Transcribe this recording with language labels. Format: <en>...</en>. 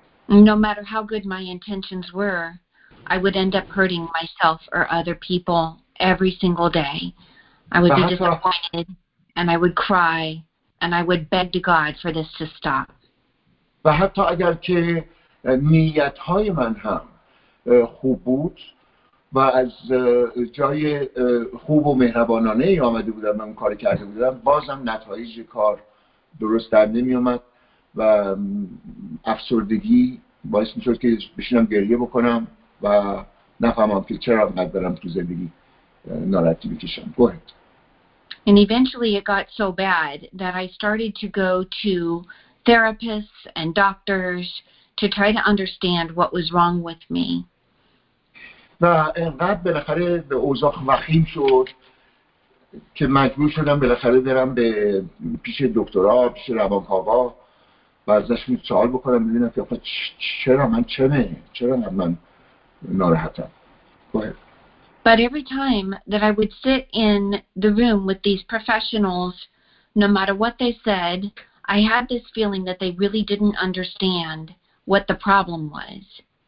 <en>No matter how good my intentions were, I would end up hurting myself or other people every single day. I would be disappointed and I would cry and I would beg to God for this to stop.</en> <fa>و حتی اگر که نیت‌های من هم خوب بود و از جای خوب و مهربانانه ای آمده بودم و اون کار کرده بودم، بازم نتایج کار درست در نمی آمد و افسردگی باعث می شد که بشینم گریه بکنم و نفهمم که چرا اینقدر دارم تو زندگی ناراحتی بکشم.</fa> <en>Go ahead. And eventually it got so bad that I started to go to therapists and doctors to try to understand what was wrong with me.</en> <fa>و اینقدر بالاخره به اوضاع وخیم شد که مجبور شدم بالاخره برم به پیش دکترها، پیش روانکاوها و ازش سوال بکنم ببینم که چرا من چمه؟ چرا من ناراحتم؟</fa> <en>But every time that I would sit in the room with these professionals, no matter what they said, I had this feeling that they really didn't understand what the problem was.</en>